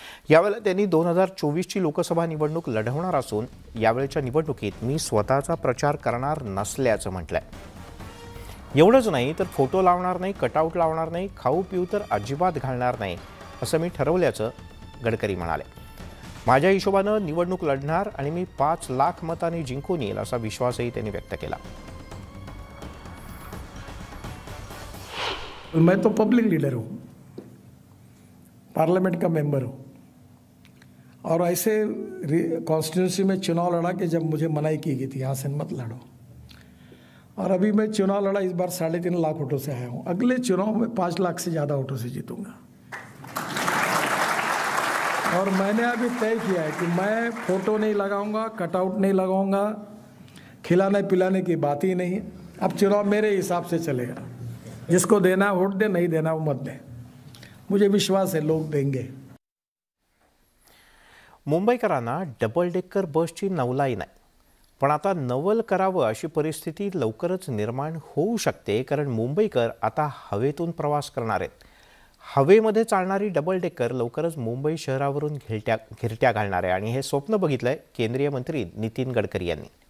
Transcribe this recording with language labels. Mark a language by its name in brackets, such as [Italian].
[Marathi] यावेळी त्यांनी 2024 लोकसभा निवडणूक लढवणार असून यावेळच्या निवडणुकीत मी स्वतःचा प्रचार करणार नसल्याचं म्हटलंय. एवढंच नाही तर फोटो लावणार नाही, कटआउट लावणार नाही, खाऊ पिऊ तर अजिबात घालणार नाही असं मी ठरवल्याचं गडकरी म्हणाले. माझ्या हिशोबानं निवडणूक लढणार आणि मी 5,00,000 मतांनी जिंकून येईल असा विश्वासही त्यांनी व्यक्त केला. [Hindi] मैं तो पब्लिक लीडर हूँ, पार्लियामेंट का मेंबर हूँ और ऐसे कॉन्स्टिट्यूंसी में चुनाव लड़ा कि जब मुझे मनाई की गई थी यहाँ से मत लड़ो. और अभी मैं चुनाव लड़ा, इस बार 3,500 वोटों से आया हूँ, अगले चुनाव में 5,00,000 से ज़्यादा वोटों से जीतूँगा. और मैंने अभी तय किया है कि मैं फोटो नहीं लगाऊँगा, कटआउट नहीं लगाऊँगा, खिलाने पिलाने की बात ही नहीं. अब चुनाव मेरे हिसाब से चलेगा, जिसको देना वोट दे, नहीं देना वो मत दे. मुझे विश्वास है लोग देंगे. [Marathi] मुंबईकरांना डबल डेकर बसची नवलाई नाही, पण आता नवल करावं अशी परिस्थिती लवकरच निर्माण होऊ शकते, कारण मुंबईकर आता हवेतून प्रवास करणार आहेत. हवेमध्ये चालणारी डबल डेकर लवकरच मुंबई शहरावरून घिरट्या घालणार आहे आणि हे स्वप्न बघितलंय केंद्रीय मंत्री नितीन गडकरी यांनी.